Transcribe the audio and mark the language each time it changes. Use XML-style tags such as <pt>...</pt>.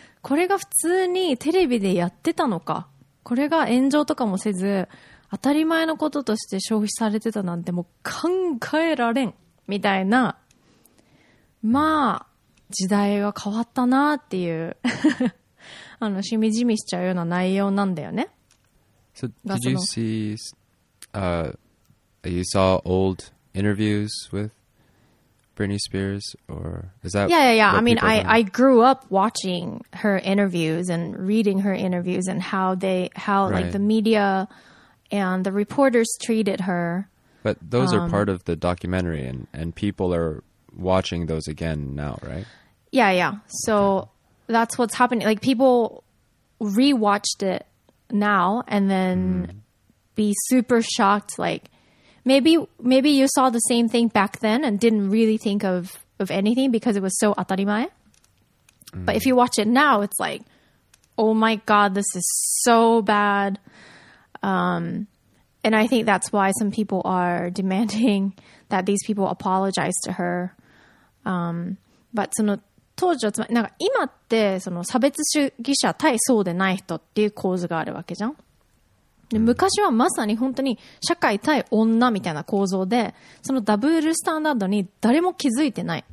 <ja>これが普通にテレビでやってたのか、これが炎上とかもせず当たり前のこととして消費されてたなんてもう考えられんみたいな、まあ時代は変わったなっていうあのしみじみしちゃうような内容なんだよね。</ja> <en>So did you see you saw old interviews with Britney Spears, or is that I mean I grew up watching her interviews and reading her interviews and how right. like the media and the reporters treated her. But those are part of the documentary, and people are watching those again now, right? Yeah, yeah. So okay. that's what's happening. Like, people rewatched it now and then be super shocked. Like, maybe you saw the same thing back then and didn't really think of anything because it was so atarimae. Mm. But if you watch it now, it's like, oh my God, this is so bad. And I think that's why some people are demanding that these people apologize to her.</en> <ja>But その当時はつまり、なんか今ってその差別主義者対そうでない人っていう構図があるわけじゃん。で、昔はまさに本当に社会対女みたいな構造で、そのダブルスタンダードに誰も気づいてない。</ja>